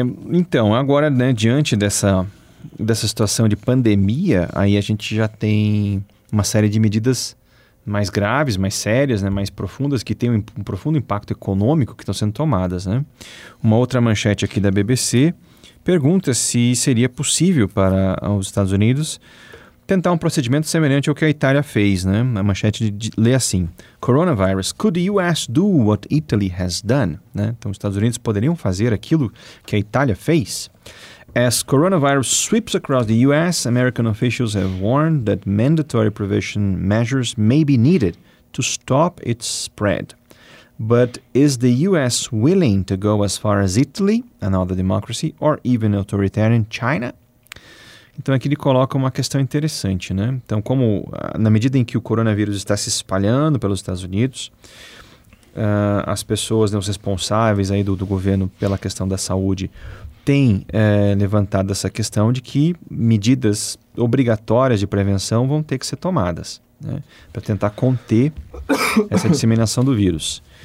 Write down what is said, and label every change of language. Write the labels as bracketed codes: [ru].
[pt] Então, agora, né, diante dessa situação de pandemia, aí a gente já tem uma série de medidas mais graves, mais sérias, né, mais profundas, que têm um profundo impacto econômico que estão sendo tomadas. Né? Uma outra manchete aqui da BBC pergunta se seria possível para os Estados Unidos tentar um procedimento semelhante ao que a Itália fez. Né? A manchete lê assim: [en] Coronavirus, could the US do what Italy has done? [pt] Né? Então, os Estados Unidos poderiam fazer aquilo que a Itália fez? [en] As coronavirus sweeps across the US, American officials have warned that mandatory prevention measures may be needed to stop its spread. But is the US willing to go as far as Italy, another democracy, or even authoritarian China? [pt] Então aqui ele coloca uma questão interessante, né? Então, como na medida em que o coronavírus está se espalhando pelos Estados Unidos, as pessoas, né, os responsáveis aí do governo pela questão da saúde têm levantado essa questão de que medidas obrigatórias de prevenção vão ter que ser tomadas, né, para tentar conter essa disseminação do vírus.